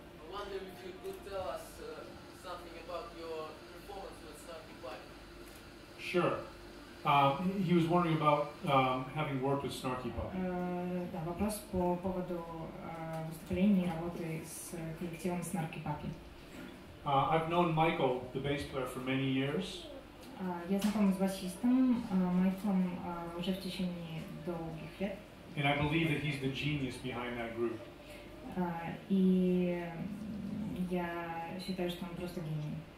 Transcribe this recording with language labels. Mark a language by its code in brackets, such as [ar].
[en] I wonder if you could tell us something about your performance with Snarky Pipe. Sure. He was wondering about having worked with Snarky Pipe. [ru] Да, вопрос по поводу выступления и работы с коллективом Snarky Pipe. [en] I've known Michael, the bass player, for many years. [ru] Я знаком с басистом Майклом уже в течение долгих лет. [en] And I believe that he's the genius behind that group. [ru] И я считаю, что он просто гений.